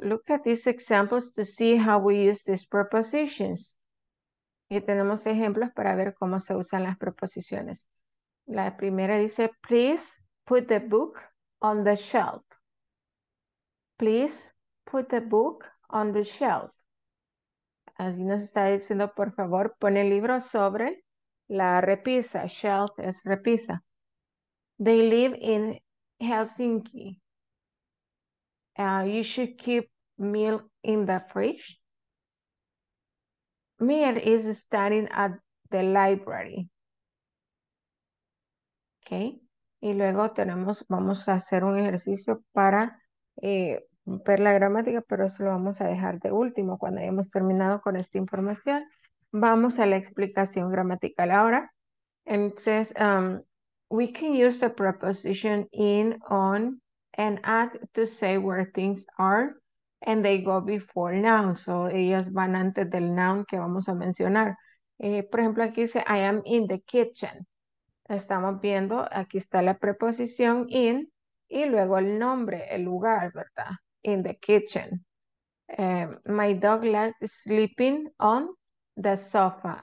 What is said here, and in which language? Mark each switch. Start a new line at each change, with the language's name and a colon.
English: Look at these examples to see how we use these prepositions.
Spanish: Y tenemos ejemplos para ver cómo se usan las preposiciones. La primera dice,
English: please put the book on the shelf. Please put the book on the shelf.
Spanish: Así nos está diciendo, por favor, pone el libro sobre la repisa. Shelf es repisa.
English: They live in Helsinki. You should keep milk in the fridge. Mir is studying at the library. Okay.
Spanish: Y luego vamos a hacer un ejercicio para ver la gramática, pero eso lo vamos a dejar de último. Cuando hayamos terminado con esta información, vamos a la explicación gramatical ahora.
English: Entonces, we can use the preposition in, on, and at to say where things are, and they go before nouns.
Spanish: So, ellas van antes del noun que vamos a mencionar. Por ejemplo, aquí dice,
English: I am in the kitchen.
Spanish: Estamos viendo, aquí está la preposición in y luego el nombre, el lugar, ¿verdad?
English: In the kitchen. My dog likes sleeping on the sofa.